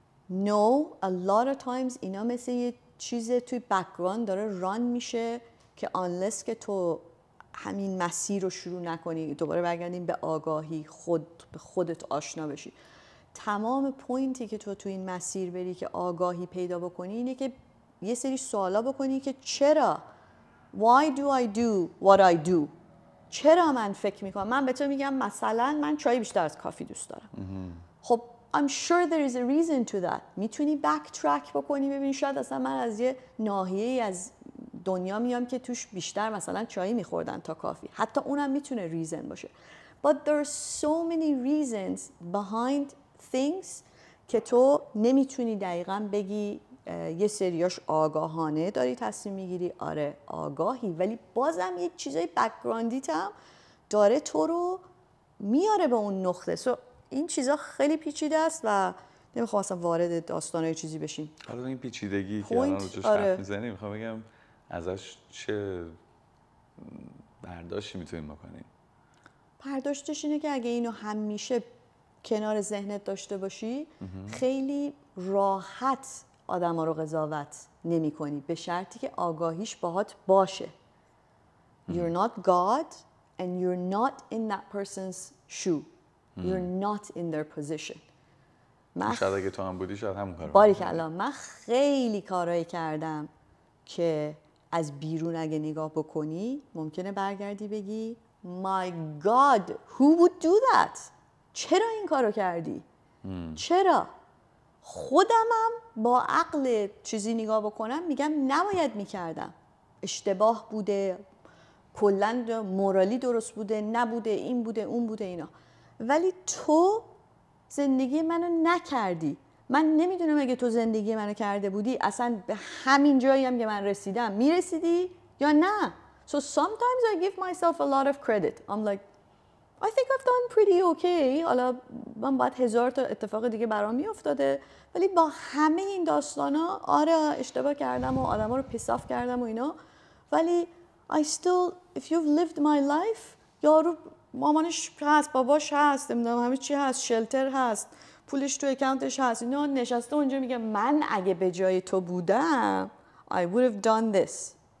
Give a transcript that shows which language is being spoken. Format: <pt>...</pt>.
<en>No, a lot of times</en> <fa>اینا مثل یه چیز توی بک‌گراند داره ران میشه که آنلس که تو همین مسیر رو شروع نکنی، دوباره برگردیم به آگاهی، خود به خودت آشنا بشی، تمام پوینتی که تو این مسیر بری که آگاهی پیدا بکنی اینه که یه سری سوالا بکنی که چرا؟</fa> <en>Why do I do what I do؟</en> <fa>چرا من فکر میکنم؟ من به تو میگم مثلا من چای بیشتر از کافی دوست دارم.</fa> <en>خب I'm sure there is a reason to that.</en> <fa>میتونی backtrack بکنی ببینی شاید اصلا من از یه ناحیه ای از دنیا میام که توش بیشتر مثلا چای میخوردن تا کافی. حتی اونم میتونه reason باشه.</fa> <en>But there are so many reasons behind things</en> <fa>که تو نمیتونی دقیقا بگی یه سریاش آگاهانه داری تصمیم میگیری. آره آگاهی، ولی بازم یه چیزای بک‌گراندیت هم داره تو رو میاره به اون نقطه. سو این چیزا خیلی پیچیده است و نمیخوام اصلا وارد داستانای چیزی بشیم. حالا این پیچیدگی که الان روش حرف میزنیم، میخوام بگم ازش چه برداشتی میتونیم بکنیم؟ برداشتش اینه که اگه اینو همیشه کنار ذهنت داشته باشی خیلی راحت آدم ها رو قضاوت نمی کنی، به شرطی که آگاهیش باهات باشه.</fa> <en>You're not God and you're not in that person's shoe. You're not in their position.</en> <fa>شاید اگه تو هم بودی شاید همون کارو باری که الان من خیلی کارهایی کردم که از بیرون اگه نگاه بکنی ممکنه برگردی بگی</fa> <en>My God, who would do that?</en> <fa>چرا این کارو کردی؟ چرا؟ خودمم با عقل چیزی نگاه بکنم میگم نباید میکردم، اشتباه بوده، کلن مورالی درست بوده، نبوده، این بوده، اون بوده، اینا. ولی تو زندگی منو نکردی. من نمیدونم اگه تو زندگی منو کرده بودی اصلا به همین جایی هم که من رسیدم میرسیدی یا نه.</fa> <en>So sometimes I give myself a lot of credit. I'm like I think I've done pretty okay.</en> <fa>حالا من باید هزار تا اتفاق دیگه برام میافتاده، ولی با همه این داستانا آره اشتباه کردم و آدما رو پیس آف کردم و اینا، ولی</fa> <en>I still if you've lived my life</en> <fa>یارو مامانش هست، باباش هست، نمیدونم همه چی هست، شلتر هست، پولش تو اکانتش هست، اینا نشسته اونجا میگه من اگه به جای تو بودم</fa> <en>I would have done this.</en>